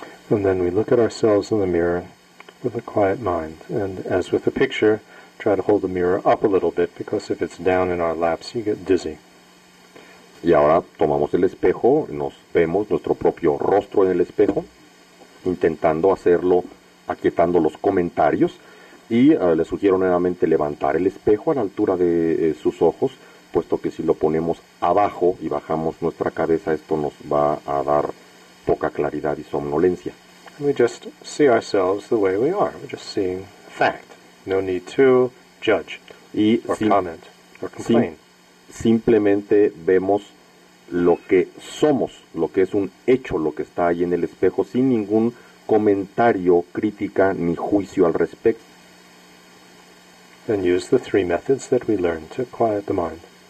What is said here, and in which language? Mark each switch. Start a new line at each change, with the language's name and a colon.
English: And then we look at ourselves in the mirror with a quiet mind. And as with the picture, try to hold the mirror up a little bit, because if it's down in our laps, you get dizzy.
Spanish: Y ahora tomamos el espejo, nos vemos nuestro propio rostro en el espejo, intentando hacerlo, aquietando los comentarios. Y le sugiero nuevamente levantar el espejo a la altura de sus ojos, puesto que si lo ponemos abajo y bajamos nuestra cabeza, esto nos va a dar poca claridad y somnolencia.
English: And we just see ourselves the way we are. We're just seeing fact. No need to judge comment or complain.
Spanish: Simplemente vemos lo que somos, lo que es un hecho, lo que está ahí en el espejo, sin ningún comentario, crítica ni juicio al respecto.
English: And use the three methods that we learned to quiet the mind.